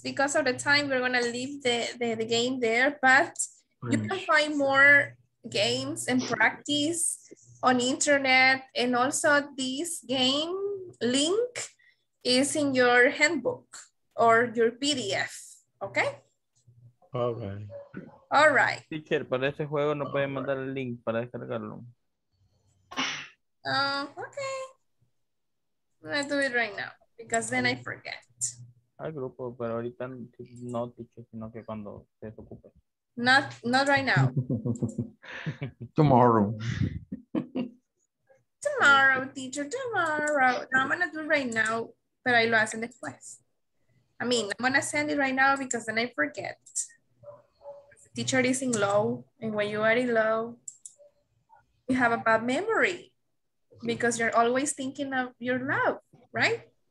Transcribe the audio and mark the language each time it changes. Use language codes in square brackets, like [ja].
[en] Because of the time, we're gonna leave the game there, but you can find more games and practice on internet, and also this game link is in your handbook or your PDF. Okay. All right. All right. [es] Teacher, para este juego no pueden mandar el link para descargarlo. [en] Okay. Let's do it right now because then I forget. [es] Al grupo, pero ahorita no, teacher, sino que cuando se ocupe. [en] Not right now. Tomorrow. Tomorrow, teacher, tomorrow. No, I'm gonna do it right now. [es] pero ahí lo hacen después. [en] I mean, I'm gonna send it right now because then I forget. The teacher is in low, and when you are in low, you have a bad memory because you're always thinking of your low, right?